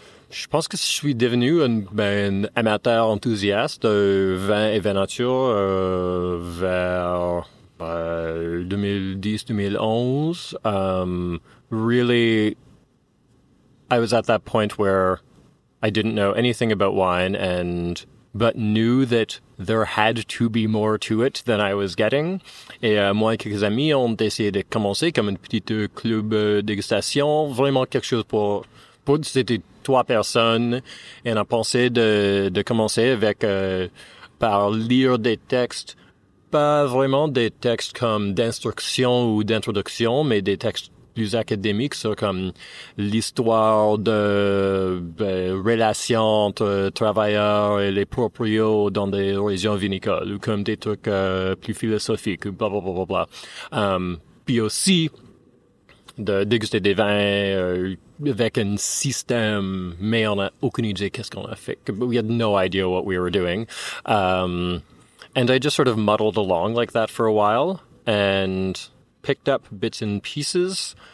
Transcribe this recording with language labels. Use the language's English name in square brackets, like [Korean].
[French] Je pense que je suis devenu un amateur enthousiaste de vin et vin nature vers 2010-2011. [English] Really, I was at that point where I didn't know anything about wine but knew that there had to be more to it than I was getting. [French] Et moi et quelques amis ont décidé de commencer comme un petit club dégustation, vraiment quelque chose pour c'était 3 personnes. Et on a pensé de commencer avec par lire des textes, pas vraiment des textes comme d'instruction ou d'introduction, mais des textes plus académiques sur comme l'histoire de relations entre travailleurs et les proprios dans des régions vinicoles ou comme des trucs plus philosophiques ou blablabla. Puis aussi de déguster des vins avec un système, mais on a aucune idée qu'est-ce qu'on a fait. [English] We had no idea what we were doing. And I just sort of muddled along like that for a while and picked up bits and pieces.